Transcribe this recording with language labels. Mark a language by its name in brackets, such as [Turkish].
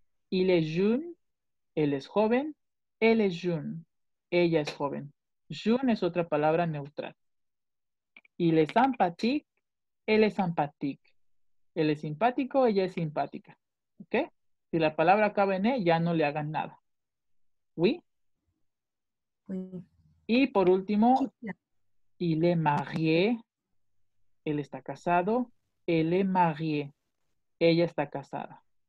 [French] Il est jeune, [Spanish] él es joven, [French] elle est jeune, [Spanish] ella es joven. Jeune es otra palabra neutral. [French] Il est sympathique, elle est sympathique. [Spanish] Él es simpático, ella es simpática. ¿Ok? Si la palabra acaba en E, ya no le hagan nada. [French] ¿Oui? Oui. [Spanish] Y por último, [French] il est marié, [Spanish] él está casado, [French] elle est mariée, [Spanish] ella está casada.